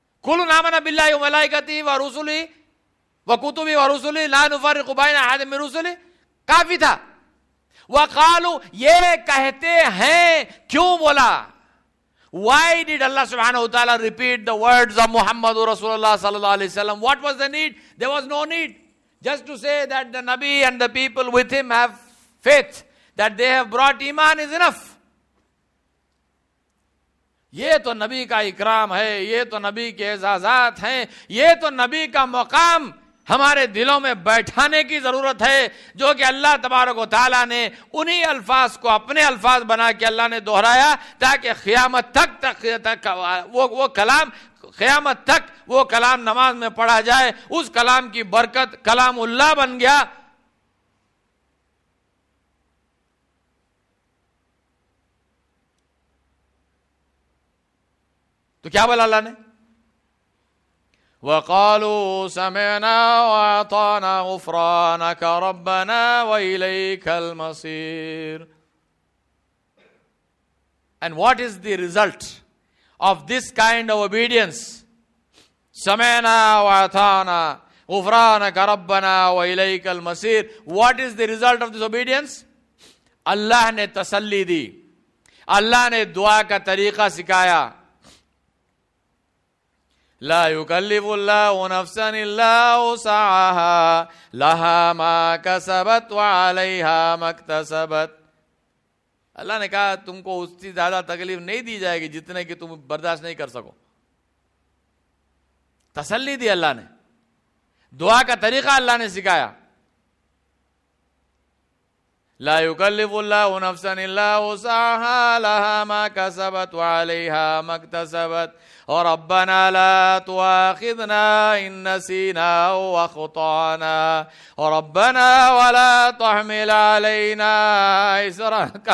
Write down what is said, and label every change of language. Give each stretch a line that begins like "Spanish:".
Arabic: کل آمن باللہ وملائکتہ ورسلہ وکتبہ ورسلہ لا نفرق بین احد من رسلہ
Urdu: کافی تھا
Arabic: وقالوا
Urdu: یہ کہتے ہیں کیوں بولا
English: Why did Allah subhanahu wa ta'ala repeat the words of Muhammad رسول اللہ صلی اللہ علیہ وسلم What was the need? There was no need. Just to say that the Nabi and the people with him have faith that they have brought iman is enough.
Urdu: یہ تو نبی کا اکرام ہے, یہ تو نبی کے اعزازات ہیں, یہ تو نبی کا مقام ہمارے دلوں میں بیٹھانے کی ضرورت ہے, جو کہ اللہ تبارک و تعالیٰ نے انہی الفاظ کو اپنے الفاظ بنا کے اللہ نے دہرایا تاکہ قیامت تک وہ کلام نماز میں پڑھا جائے, اس کلام کی برکت کلام اللہ بن گیا. تو کیا بولا اللہ نے,
Arabic: وقالوا سمعنا واطعنا غفرانك ربنا واليك المصير.
English: And what is the result of this kind of obedience?
Arabic: سمعنا واطعنا غفرانك ربنا واليك المصير.
English: What is the result of this obedience?
Urdu: اللہ نے تسلی دی, اللہ نے دعا کا طریقہ سکھایا.
Arabic: لا يكلف الله نفسا الا وسعها لها ما كسبت وعليها ما اكتسبت.
Urdu: اللہ نے کہا تم کو اس سے زیادہ تکلیف نہیں دی جائے گی جتنے کی تم برداشت نہیں کر سکو. تسلی دی اللہ نے, دعا کا طریقہ اللہ نے سکھایا.
Arabic: لا يكلف الله نفسا الا وسعها لها ما كسبت وعليها ما اكتسبت ربنا لا تؤاخذنا ان نسينا واخطانا ربنا ولا تحمل علينا اسرا